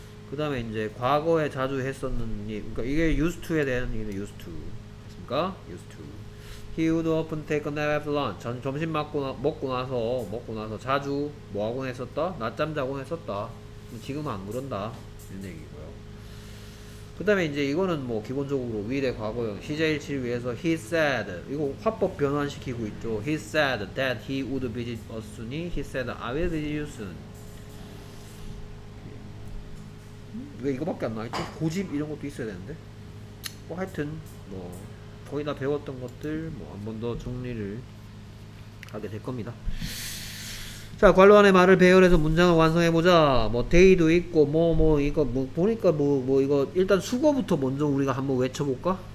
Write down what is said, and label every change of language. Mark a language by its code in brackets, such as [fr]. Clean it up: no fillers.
[ko] 그 다음에 이제 과거에 자주 했었는 일 그러니까 이게 [en] used to에 대한 얘기는 used to 그러니까 used to he would often take a nap after lunch [ko] 전 점심 먹고 나서 자주 뭐 하곤 했었다 낮잠 자곤 했었다 지금은 안 그런다 이런 얘기고요. 그 다음에 이제 이거는 뭐 기본적으로 위대 과거형 시제일치를 위해서 [en] he said [ko] 이거 화법 변환시키고 있죠. [en] he said that he would visit us soon he said I will visit you soon [ko] 왜 이거밖에 안 나와있죠? 고집 이런 것도 있어야 되는데 뭐 하여튼 뭐 거의 다 배웠던 것들 뭐 한 번 더 정리를 하게 될 겁니다. 자, 관로안의 말을 배열해서 문장을 완성해보자. 뭐, day도 있고, 이거, 뭐, 보니까 뭐, 이거, 일단 수거부터 먼저 우리가 한번 외쳐볼까?